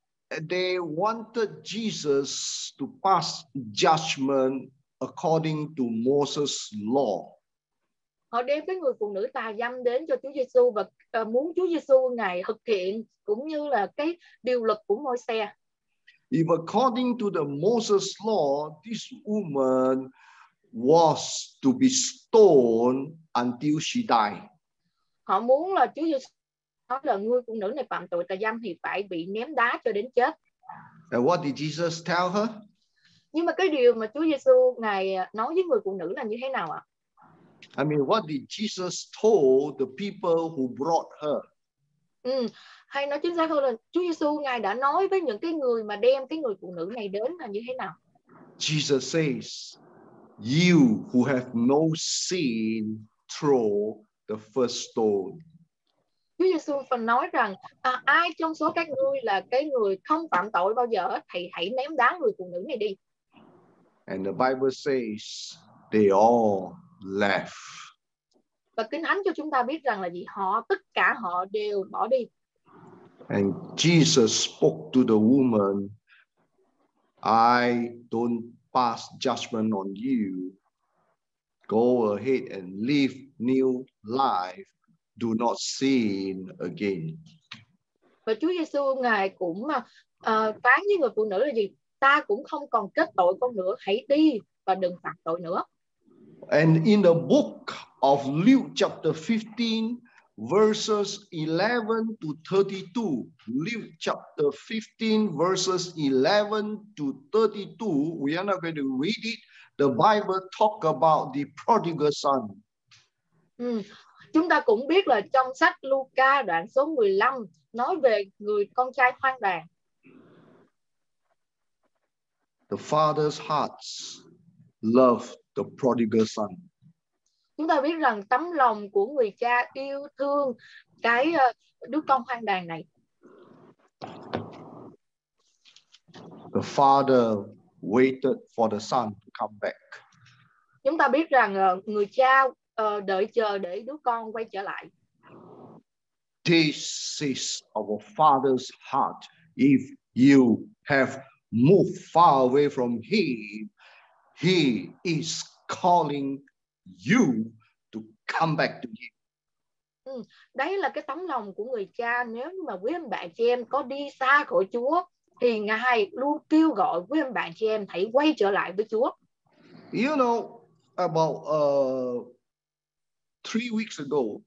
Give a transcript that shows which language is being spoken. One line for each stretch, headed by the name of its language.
English: They wanted Jesus to pass judgment according to Moses' law.
Vietnamese: Họ đem cái người phụ nữ tà dâm đến cho Chúa Giêsu và muốn Chúa Giêsu Ngài thực hiện cũng như là cái điều luật của Môi-se.
English: If according to the Moses' law, this woman was to be stoned until she died.
Vietnamese: Họ muốn là Chúa Giêsu nói là người phụ nữ này phạm tội tà dâm thì phải bị ném đá cho đến chết.
English: And what did Jesus tell her?
Vietnamese: Nhưng mà cái điều mà Chúa Giêsu Ngài nói với người phụ nữ là như thế nào ạ?
English: I mean, what did Jesus told the people who brought her?
Vietnamese: Hay nói chính xác hơn là Chúa Giêsu Ngài đã nói với những cái người mà đem cái người phụ nữ này đến là như thế nào?
English: Jesus says, "You who have no sin, throw the first stone."
Vietnamese: Chúa Giêsu phần nói rằng ai trong số các ngươi là cái người không phạm tội bao giờ thì hãy ném đá người phụ nữ này đi.
English: And the Bible says they all left.
Vietnamese: Và Kinh Thánh cho chúng ta biết rằng là gì? Họ, tất cả họ đều bỏ đi.
English: And Jesus spoke to the woman, "I don't pass judgment on you. Go ahead and live new life. Do not sin again."
Vietnamese: Và Chúa Giêsu Ngài cũng phán với người phụ nữ là gì? Ta cũng không còn kết tội con nữa. Hãy đi và đừng phạm tội nữa.
English: And in the book of Luke chapter 15 verses 11 to 32, Luke chapter 15 verses 11 to 32, we are not going to read it. The Bible talk about the prodigal son.
Vietnamese: Chúng ta cũng biết là trong sách Luca đoạn số 15 nói về người con trai khoan đàng.
English: The father's heart loved the prodigal son.
Vietnamese: Chúng ta biết rằng tấm lòng của người cha yêu thương cái đứa con hoang đàn này.
English: The father waited for the son to come back.
Vietnamese: Chúng ta biết rằng người cha đợi chờ để đứa con quay trở lại.
English: This is our father's heart. If you have moved far away from him, he is calling you to come back to him.
Vietnamese: Đấy là cái tấm lòng của người cha. Nếu mà quý anh bạn chị em có đi xa khỏi Chúa thì Ngài luôn kêu gọi quý anh bạn chị em hãy quay trở lại với Chúa.
English: You know, about 3 weeks ago,